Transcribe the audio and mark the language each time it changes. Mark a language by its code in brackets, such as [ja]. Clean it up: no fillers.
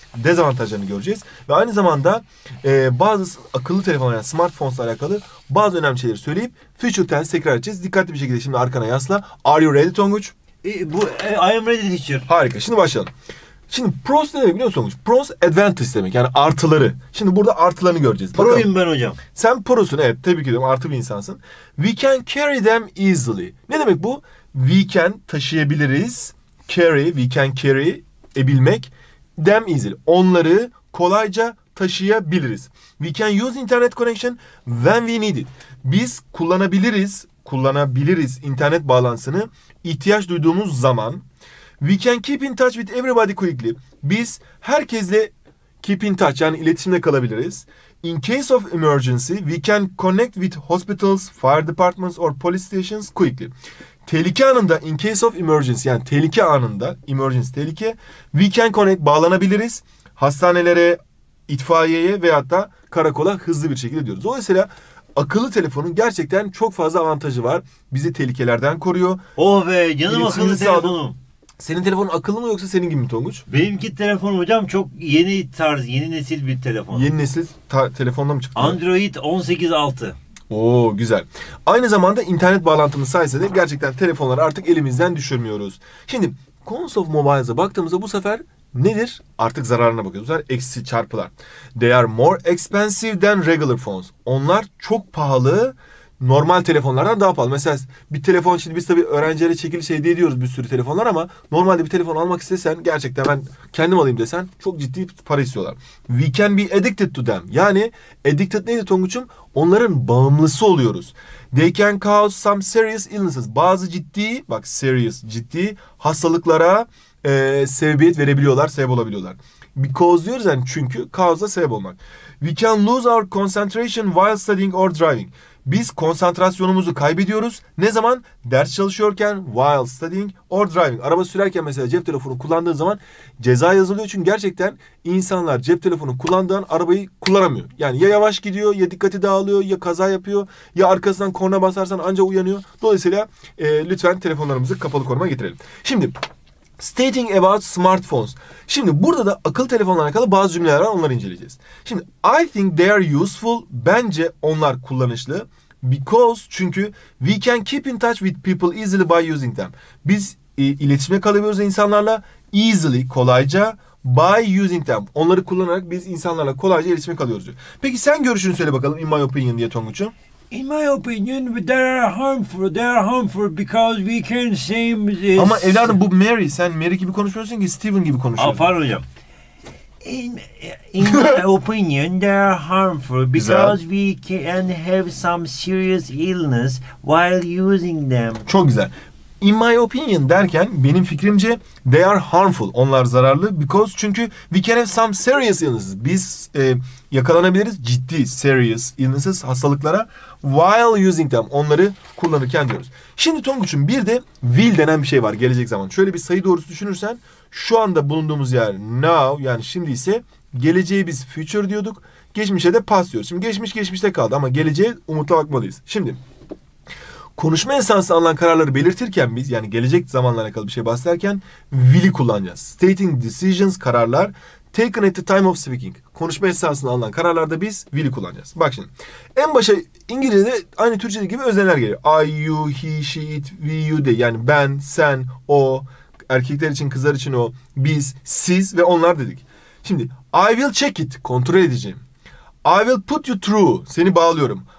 [tr] Dezavantajlarını göreceğiz. Ve aynı zamanda bazı akıllı telefonlar yani smartphones'la alakalı bazı önemli şeyleri söyleyip future tense tekrar edeceğiz. Dikkatli bir şekilde şimdi arkana yasla. [en] Are you ready Tonguç? I am ready teacher. [tr] Harika. Şimdi başlayalım. Şimdi pros ne demek biliyor musunuz? Pros advantage demek yani artıları. Şimdi burada artılarını göreceğiz. Bakalım. Proyum ben hocam. Sen prosun evet tebrik ediyorum artı bir insansın. [en] We can carry them easily. [tr] Ne demek bu? [en] We can [tr] taşıyabiliriz. [en] Carry, we can carry [tr] ebilmek. [en] Them easily. [tr] Onları kolayca taşıyabiliriz. [en] We can use internet connection when we need it. [tr] Biz kullanabiliriz internet bağlantısını ihtiyaç duyduğumuz zaman. [en] We can keep in touch with everybody quickly. [tr] Biz herkesle [en] keep in touch [tr] yani iletişimde kalabiliriz. [en] In case of emergency, we can connect with hospitals, fire departments or police stations quickly. [tr] Tehlike anında [en] in case of emergency [tr] yani tehlike anında emergency tehlike [en] we can connect [tr] bağlanabiliriz hastanelere, itfaiyeye veyahut da karakola hızlı bir şekilde diyoruz. Dolayısıyla akıllı telefonun gerçekten çok fazla avantajı var. Bizi tehlikelerden koruyor. Oh be, canım akıllı telefonum. Senin telefonun akıllı mı yoksa senin gibi mi Tonguç? Benimki telefon hocam çok yeni tarz, yeni nesil bir telefon. Yeni nesil telefonda mı çıktı? Android 18.6. Oo güzel. Aynı zamanda internet bağlantımız sayesinde gerçekten telefonları artık elimizden düşürmüyoruz. Şimdi [en] cons of mobiles'a [tr] baktığımızda bu sefer nedir? Artık zararına bakıyoruz. Bu sefer eksi çarpılar. [en] They are more expensive than regular phones. [tr] Onlar çok pahalı. Normal telefonlardan daha pahalı. Mesela bir telefon şimdi biz tabii öğrencilere çekili şey diye diyoruz bir sürü telefonlar ama normalde bir telefon almak istesen gerçekten ben kendim alayım desen çok ciddi para istiyorlar. [en] We can be addicted to them. [tr] Yani addicted neydi Tonguç'um? Onların bağımlısı oluyoruz. [en] They can cause some serious illnesses. [tr] Bazı ciddi, bak serious, ciddi hastalıklara sebebiyet verebiliyorlar, sebep olabiliyorlar. Because diyoruz yani çünkü cause'a sebep olmak. [en] We can lose our concentration while studying or driving. [tr] Biz konsantrasyonumuzu kaybediyoruz. Ne zaman? Ders çalışıyorken, [en] while studying or driving. [tr] Araba sürerken mesela cep telefonu kullandığın zaman ceza yazılıyor. Çünkü gerçekten insanlar cep telefonu kullandığın arabayı kullanamıyor. Yani ya yavaş gidiyor, ya dikkati dağılıyor, ya kaza yapıyor, ya arkasından korna basarsan anca uyanıyor. Dolayısıyla lütfen telefonlarımızı kapalı koruma getirelim. Şimdi, [en] stating about smartphones. [tr] Şimdi burada da akıllı telefonlarla alakalı bazı cümleler var, onları inceleyeceğiz. Şimdi [en] I think they are useful. [tr] Bence onlar kullanışlı. [en] Because [tr] çünkü [en] we can keep in touch with people easily by using them. [tr] Biz iletişime kalabiliyoruz insanlarla easily kolayca [en] by using them. [tr] Onları kullanarak biz insanlarla kolayca iletişime kalıyoruz diyor. Peki sen görüşünü söyle bakalım [en] in my opinion [tr] diye Tonguç'un. [en] In my opinion, they are harmful because we can same. [tr] Ama evladım bu Mary, sen Mary gibi konuşmuyorsun ki Steven gibi konuşuyorsun. Pardon hocam. [en] In my opinion, they are harmful because we can have some serious illness while using them. [tr] Çok güzel. [en] In my opinion [tr] derken benim fikrimce [en] they are harmful. [tr] Onlar zararlı [en] because [tr] çünkü [en] we can have some serious illnesses. [tr] Biz yakalanabiliriz ciddi [en] serious illnesses [tr] hastalıklara [en] while using them. [tr] Onları kullanırken diyoruz. Şimdi Tonguç'un bir de will denen bir şey var gelecek zaman. Şöyle bir sayı doğrusu düşünürsen şu anda bulunduğumuz yer now yani şimdi ise geleceği biz future diyorduk. Geçmişe de past diyoruz. Şimdi geçmiş geçmişte kaldı ama geleceğe umutla bakmalıyız. Şimdi konuşma esnasında alınan kararları belirtirken biz yani gelecek zamanlarla alakalı bir şey bahsederken will'i kullanacağız. [en] Stating decisions [tr] kararlar [en] taken at the time of speaking. [tr] Konuşma esnasında alınan kararlarda biz will'i kullanacağız. Bak şimdi en başa İngilizce'de aynı Türkçe'de gibi özneler geliyor. [en] I, you, he, she, it, we, you, they [tr] yani ben, sen, o erkekler için kızlar için o biz, siz ve onlar dedik. Şimdi [en] I will check it [tr] kontrol edeceğim. [en] I will put you through [tr] seni bağlıyorum.